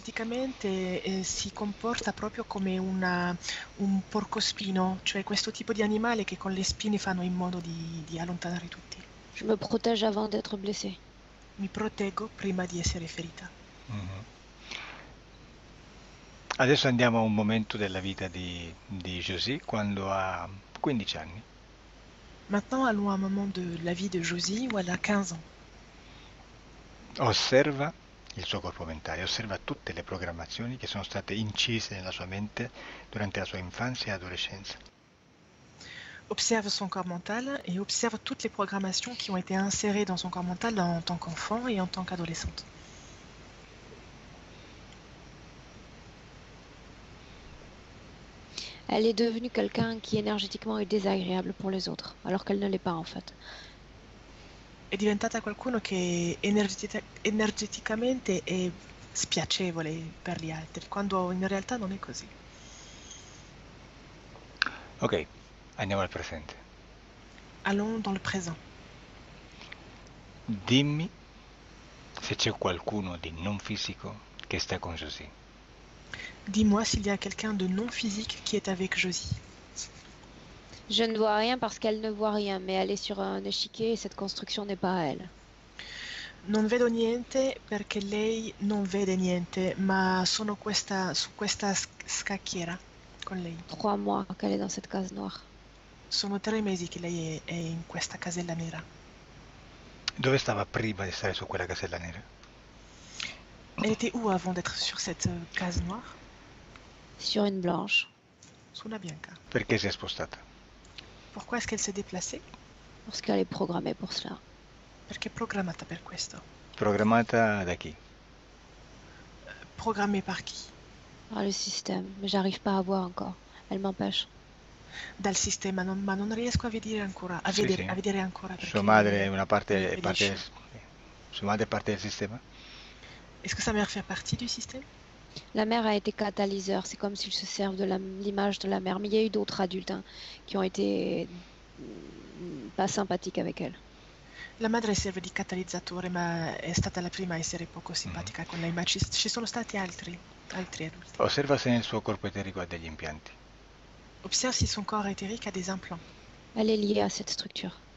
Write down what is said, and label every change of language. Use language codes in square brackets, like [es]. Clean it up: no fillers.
[it] Energeticamente, si comporta proprio come un porcospino, cioè questo tipo di animale che con le spine fanno in modo di allontanare tutti. [fr] Je me protège avant d'être blessée. [it] Mi proteggo prima di essere ferita. Adesso andiamo a un momento della vita di Josie quando ha 15 anni. [fr] Maintenant, allons à un moment de la vie de Josie, où elle a 15 ans. [it] Osserva il suo corpo mentale, osserva tutte le programmazioni che sono state incise nella sua mente durante la sua infanzia e adolescenza. [fr] Observe son corps mental et observe toutes les programmations qui ont été insérées dans son corps mental en tant qu'enfant et en tant qu'adolescente. Elle est devenue quelqu'un qui énergétiquement est désagréable pour les autres, alors qu'elle ne l'est pas en fait. [it] È diventata qualcuno che energeticamente è spiacevole per gli altri, quando in realtà non è così. Ok, andiamo al presente. [fr] Allons dans le présent. [it] Dimmi se c'è qualcuno di non fisico che sta con Josie. [fr] Dis-moi s'il y a quelqu'un de non physique qui est avec Josie. Je ne vois rien parce qu'elle ne voit rien, mais elle est sur un échiquier et cette construction n'est pas à elle. [it] Non vedo niente perché lei non vede niente, ma sono su questa scacchiera con lei. [fr] 3 mois qu'elle est dans cette case noire. [it] Sono 3 mesi che lei è in questa casella nera. Dove stava prima di stare su quella casella nera? [fr] Elle était où avant d'être sur cette case noire? Sur une blanche. [it] Sulla bianca. Perché si è spostata? [fr] Pourquoi est-ce qu'elle s'est déplacée? Parce qu'elle est programmée pour cela. [it] Perché è programmata per questo? Programmata da chi? [fr] Programmée par qui? Par le système, mais j'arrive pas à voir encore. Elle m'empêche. [it] dal sistema, non, ma non riesco a vedere ancora, Sì. a vedere ancora Sua madre è perché una parte, mi impedisce. parte del sistema. [fr] Est-ce que sa mère fait partie du système? La mère a été catalyseur, c'est comme s'il se servent de l'image de la mère, mais il y a eu d'autres adultes hein, qui ont été pas sympathiques avec elle. [it] La madre serve di catalizzatore, ma è stata la prima a essere poco simpatica con lei, ma ci sono stati altri adulti. Osserva se nel suo corpo eterico ha degli impianti. [fr] Observe si son corps éthérique a des implants. Elle est liée à cette structure.